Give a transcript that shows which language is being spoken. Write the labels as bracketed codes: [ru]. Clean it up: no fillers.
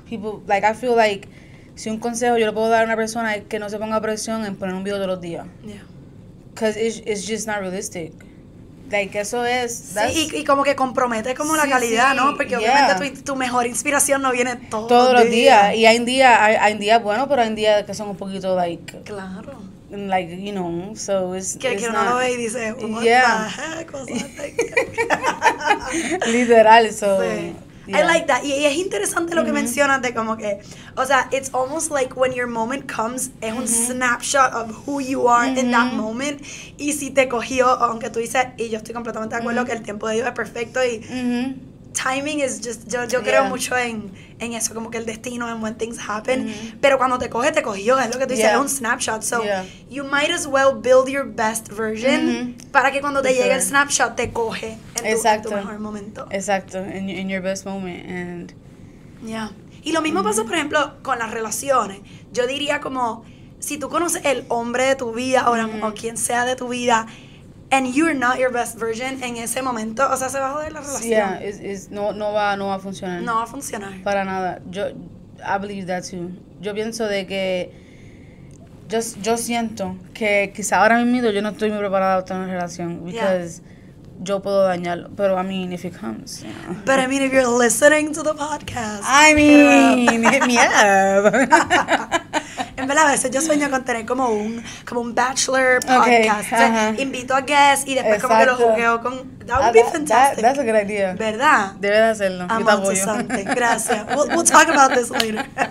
[en] People, like, I feel like, [es] si un consejo yo le puedo dar a una persona es que no se ponga presión en poner un video todos los días. [en] Yeah. Because it's just not realistic. Like, [es] eso es... Sí, y como que compromete como sí, la calidad, sí, ¿no? Porque obviamente tu mejor inspiración no viene todos los días. Todos los días. Y hay día bueno, pero hay días que son un poquito, [en] like... [es] Claro. [en] Like, you know, so it's [es] que [en] not... [es] Que uno lo ve y dice, [en] what the heck was that? [es] Literal, so... [en] Sí. Yeah. I like that. [es] Y es interesante lo que mencionas de como que... O sea, [en] it's almost like when your moment comes, [es] es un [en] snapshot of who you are in that moment. [es] Y si te cogió, aunque tú dices, y yo estoy completamente de acuerdo que el tiempo de Dios es perfecto y... [en] Timing is just, [es] yo creo mucho en eso, como que el destino, en [en] when things happen, [es] pero cuando te cogió, es lo que tú dices, es un snapshot, [en] so you might as well build your best version [es] para que cuando llegue el snapshot te coge en tu mejor momento. Exacto, [en] in your best moment, and... [es] Y lo mismo pasa, por ejemplo, con las relaciones, yo diría como, si tú conoces el hombre de tu vida, o quien sea de tu vida, [en] and you're not your best version [es] en ese momento, o sea, se va a joder la relación. [en] Yeah, [es] no va a funcionar. No va a funcionar. Para nada. [en] I believe that too. [es] Yo pienso de que, yo siento que quizá ahora mismo yo no estoy muy preparada para tener una relación, [en] because [es] yo puedo dañarlo, pero [en] I mean, if it comes, you know. But I mean, if you're listening to the podcast. I mean, hit me up. [es] En verdad, a veces yo sueño con tener como un bachelor podcast. Okay, invito a guests y después como que lo jugueo con... [en] That would be fantastic. That's a good idea. [es] ¿Verdad? Debe de hacerlo. [en] I'm [es] yo te apoyo. [en] Something. [es] Gracias. [en] We'll talk about this later.